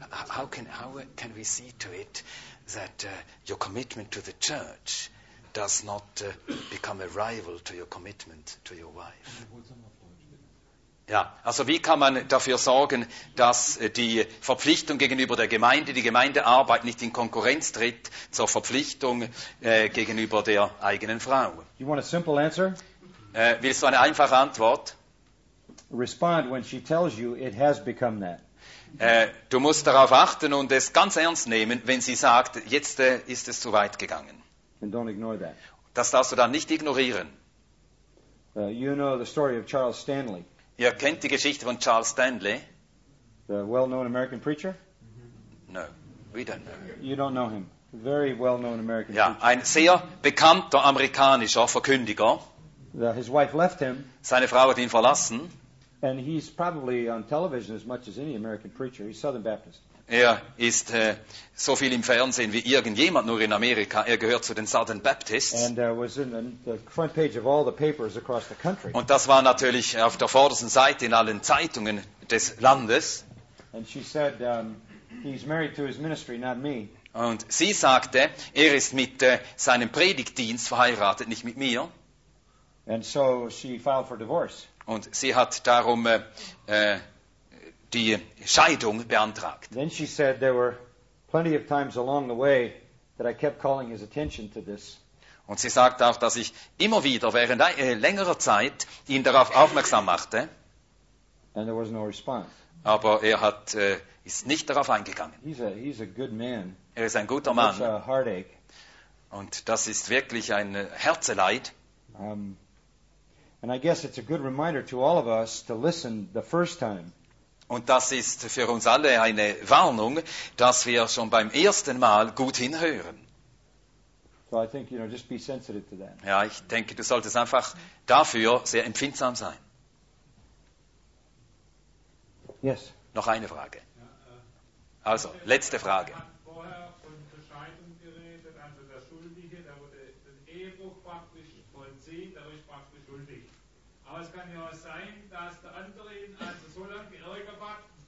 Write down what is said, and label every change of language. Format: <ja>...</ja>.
<en>How can we see to it that your commitment to the church does not become a rival to your commitment to your wife?</en> <de>Ja, also wie kann man dafür sorgen, dass die Verpflichtung gegenüber der Gemeinde, die Gemeindearbeit nicht in Konkurrenz tritt zur Verpflichtung gegenüber der eigenen Frau?</de> <en>You want a simple answer?</en> <de>Willst du eine einfache Antwort?</de> <en>Respond when she tells you it has become that.</en> <de>Du musst darauf achten und es ganz ernst nehmen, wenn sie sagt, jetzt ist es zu weit gegangen.</de> <en>And don't ignore that.</en> <de>Das darfst du dann nicht ignorieren.</de> <en>You know the story of Charles Stanley.</en> <de>Ihr kennt die Geschichte von Charles Stanley?</de> <en>The well-known American preacher? No, we don't know. You don't know him. Very well-known American preacher.</en> <de>Ja, ein sehr bekannter amerikanischer Verkündiger.</de> <en>His wife left him.</en> <de>Seine Frau hat ihn verlassen.</de> <en>And he's probably on television as much as any American preacher. He's Southern Baptist.</en> <de>Er ist so viel im Fernsehen wie irgendjemand nur in Amerika. Er gehört zu den Southern Baptists.</de> <en>And was in the front page of all the papers across the country.</en> <de>Und das war natürlich auf der vordersten Seite in allen Zeitungen des Landes.</de> <en>And she said, he's married to his ministry, not me.</en> <de>Und sie sagte, ist mit seinem Predigtdienst verheiratet, nicht mit mir.</de> <en>And so she filed for divorce.</en> <de>Und sie hat darum die Scheidung beantragt.</de> <en>Then she said there were plenty of times along the way that I kept calling his attention to this.</en> <de>Und sie sagt auch, dass ich immer wieder während längerer Zeit ihn darauf aufmerksam machte.</de> <en>And there was no response.</en> <de>Aber ist nicht darauf eingegangen.</de> <en>He's a good man.</en> <de>Er ist ein guter Mann.</de> <en>A heartache.</en> <de>Und das ist wirklich ein Herzeleid.</de> <en>And I guess it's a good reminder to all of us to listen the first time.</en> <de>Und das ist für uns alle eine Warnung, dass wir schon beim ersten Mal gut hinhören.</de> <en>So I think, you know, just be sensitive to that.</en> <de>Ja, ich denke, du solltest einfach dafür sehr empfindsam sein.</de> <en>Yes.</en> <de>Noch eine Frage. Also, letzte Frage. Aber es kann ja auch sein, dass der andere ihn also so lange geärgert hat,</de>